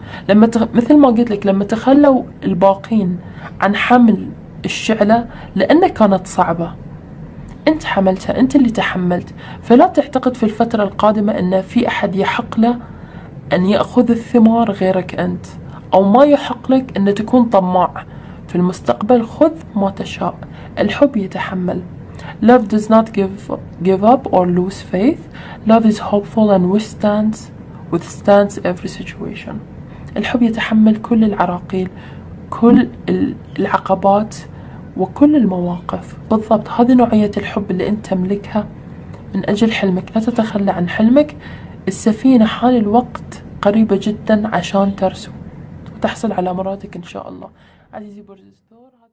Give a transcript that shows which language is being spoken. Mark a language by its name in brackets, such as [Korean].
[Arabic] لما مثل ما قلت لك، لما تخلوا الباقين عن حمل الشعلة لأنها كانت صعبة، أنت حملتها، أنت اللي تحملت. فلا تعتقد في الفترة القادمة أن في أحد يحق له أن يأخذ الثمار غيرك أنت، أو ما يحق لك أن تكون طماع في المستقبل. خذ ما تشاء، الحب يتحمل. [English] Love does not give up or lose faith. Love is hopeful and withstands every situation. [Arabic] الحب يتحمل كل العراقيل، كل العقبات وكل المواقف. بالضبط، هذه نوعية الحب اللي أنت تملكها من أجل حلمك. لا تتخلى عن حلمك. السفينة حال الوقت قريبة جدا عشان ترسو وتحصل على مرادك إن شاء الله. عزيزي برج الثور.